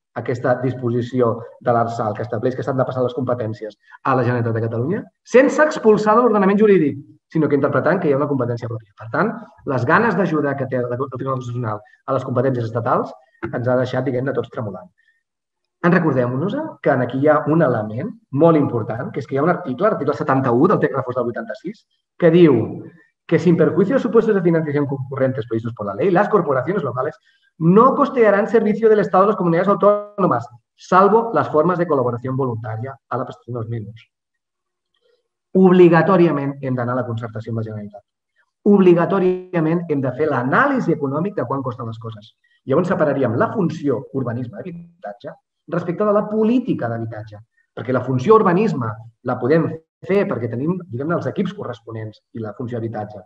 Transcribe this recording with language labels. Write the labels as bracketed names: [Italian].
[Catalan] aquesta disposició de l'Arsal que estableix que s'han de passar les competències a la Generalitat de Catalunya sense expulsar de l'ordenament jurídic, sinó que interpretant que hi ha una competència pròpia. Per tant, les ganes d'ajudar que té el Tribunal Constitucional a les competències estatals ens ha deixat, diguem-ne, tots tremolant. Recordem-nos que aquí hi ha un element molt important, que és que hi ha un article, l'article 71 del text refós del 86, que diu que [Spanish] sin perjuicio de supuestos de financiación concurrentes previstos por la ley, las corporaciones locales no costearán servicio del Estado a las comunidades autónomas, salvo las formas de colaboración voluntaria a la prestación de los mismos. [Catalan] Obligatòriament hem d'anar a la concertació amb la Generalitat. Obligatòriament hem de fer l'anàlisi econòmic de quan costen les coses. Llavors separaríem la funció urbanisme d'habitatge respecte de la política d'habitatge, perquè la funció urbanisme la podem fer perquè tenim, diguem-ne, els equips corresponents i la funció habitatge.